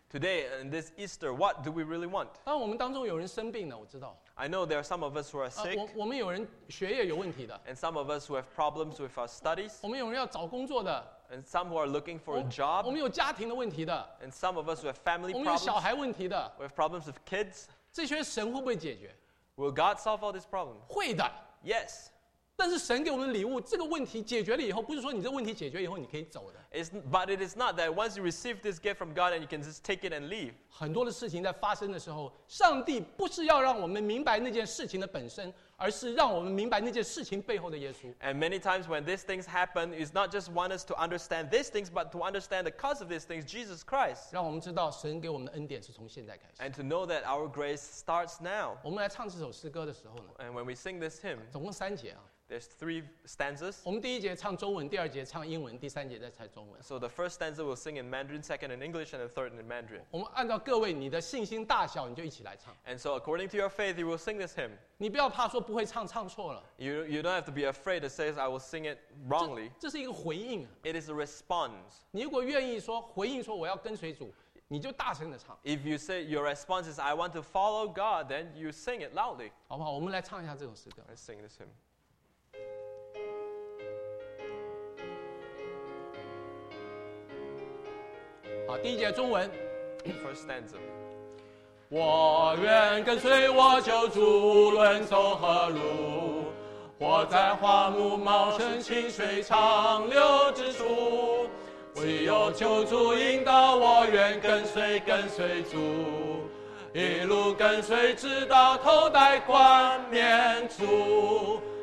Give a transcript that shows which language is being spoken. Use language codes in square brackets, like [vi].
[en] Today, in this Easter, what do we really want? [zh] 当我们当中有人生病了，我知道。 [en] I know there are some of us who are sick. [zh] 我们有人学业有问题的。 [en] And some of us who have problems with our studies. [zh] 我们有人要找工作的。 [en] And some who are looking for a job. [zh] 我们有家庭的问题的。 [en] And some of us who have family problems. [zh] 我们有小孩问题的。 [en] We have problems with kids. [zh] 这些神会不会解决？ [en] Will God solve all these problems? [zh] 会的。 [en] Yes. [zh] 但是神给我们礼物，这个问题解决了以后，不是说你这个问题解决以后你可以走的。 [en] But it is not that once you receive this gift from God and you can just take it and leave. [zh] 很多的事情在发生的时候，上帝不是要让我们明白那件事情的本身，而是让我们明白那件事情背后的耶稣。 [en] And many times when these things happen, it's not just want us to understand these things, but to understand the cause of these things, Jesus Christ. [zh] 让我们知道神给我们的恩典是从现在开始。 [en] And to know that our grace starts now. [zh] 我们来唱这首诗歌的时候呢 [en] ？And when we sing this hymn, [zh] 总共三节啊。 [en] There's three stanzas. [zh] 我们第一节唱中文，第二节唱英文，第三节再唱中文。 [en] So the first stanza will sing in Mandarin, second in English, and the third in Mandarin. [zh] 我们按照各位你的信心大小，你就一起来唱。 [en] And so according to your faith, you will sing this hymn. [zh] 你不要怕说不会唱，唱错了。 [en] You don't have to be afraid to say I will sing it wrongly. [zh] 这是一个回应。 [en] It is a response. [zh] 你如果愿意说回应说我要跟随主，你就大声的唱。 [en] If you say your response is I want to follow God, then you sing it loudly. [zh] 好不好？我们来唱一下这首诗歌。 [en] Let's sing this hymn. [zh] 好，第一节中文。 [en] First stanza。 [zh] 我愿跟随我救主，无论走何路，或在花木茂盛、清水长流之处，唯有救主引导我，愿跟随跟随主，一路跟随直到头戴冠冕主。